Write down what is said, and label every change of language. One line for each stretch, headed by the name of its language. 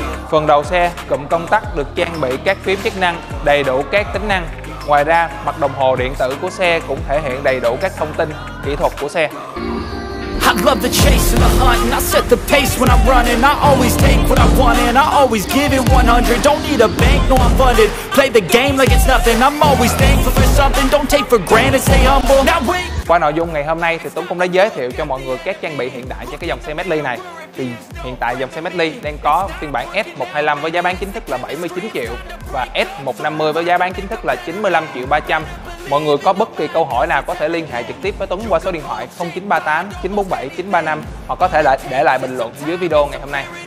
Vietnamese: Phần đầu xe, cụm công tắc được trang bị các phím chức năng đầy đủ các tính năng. Ngoài ra, mặt đồng hồ điện tử của xe cũng thể hiện đầy đủ các thông tin kỹ thuật của xe.
English: I love the chase and the hunt, and I set the pace when I'm running. I always take what I want and I always give it 100. Don't need a bank, no, I'm funded. Play the game like it's nothing. I'm always thankful for something. Don't take for granted, stay humble. Now wait.
Vietnamese: Qua nội dung ngày hôm nay thì Tuấn cũng đã giới thiệu cho mọi người các trang bị hiện đại cho cái dòng xe Medley này. Thì hiện tại dòng xe Medley đang có phiên bản S125 với giá bán chính thức là 79 triệu và S150 với giá bán chính thức là 95 triệu 300. Mọi người có bất kỳ câu hỏi nào có thể liên hệ trực tiếp với Tuấn qua số điện thoại 0938 947 935 hoặc có thể để lại bình luận dưới video ngày hôm nay.